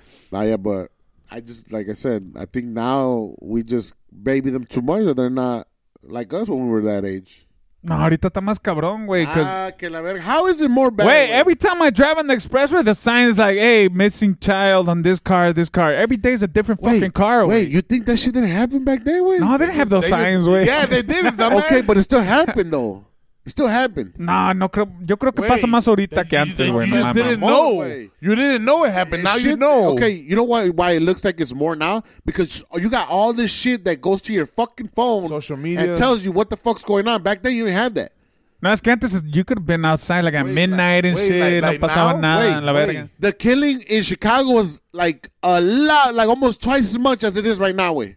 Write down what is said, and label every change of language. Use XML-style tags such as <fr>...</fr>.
<en>Nah, yeah, but I just, like I said, I think now we just baby them too much that they're not like us when we were that age.</en> <es>No, ahorita está más cabrón, güey. Ah, que la verga.</es> <en>How is it more bad? Wait, every time I drive on the expressway, the sign is like, hey, missing child on this car. Every day is a different fucking car. Wait, you think that shit didn't happen back then, güey? No, they didn't have those signs, güey. Yeah, they didn't. Okay, but it still happened, though. It still happened.</en> <es>Nah, no, creo, yo creo que pasa más ahorita que antes, güey.</es> <en>You just didn't know. You didn't know it happened. Now you know. Okay, you know why it looks like it's more now? Because you got all this shit that goes to your fucking phone. Social media. And tells you what the fuck's going on. Back then, you didn't have that.</en> <es>No, es que antes</es> <en>you could have been outside like at midnight and shit.</en> <es>No pasaba nada en la verga.</es> <en>The killing in Chicago was like a lot, like almost twice as much as it is right now, güey.</en>